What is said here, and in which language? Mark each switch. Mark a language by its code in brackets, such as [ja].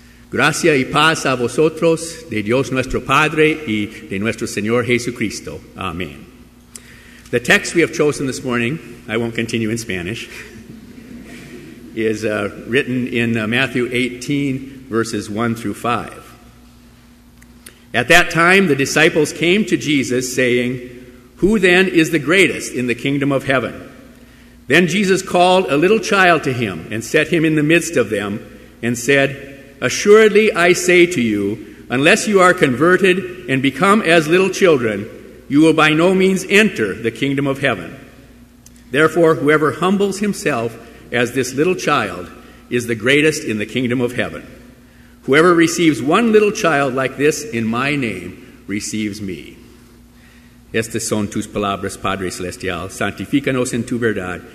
[es] Gracia y paz a vosotros, de Dios nuestro Padre y de nuestro Señor Jesucristo. Amen. [en] The text we have chosen this morning, I won't continue in Spanish, is written in Matthew 18, verses 1 through 5. At that time, the disciples came to Jesus, saying, "Who then is the greatest in the kingdom of heaven?" Then Jesus called a little child to him and set him in the midst of them and said, "Assuredly, I say to you, unless you are converted and become as little children, you will by no means enter the kingdom of heaven. Therefore, whoever humbles himself as this little child is the greatest in the kingdom of heaven. Whoever receives one little child like this in my name receives me." [es] Estas son tus palabras, Padre Celestial. Santifícanos en tu verdad.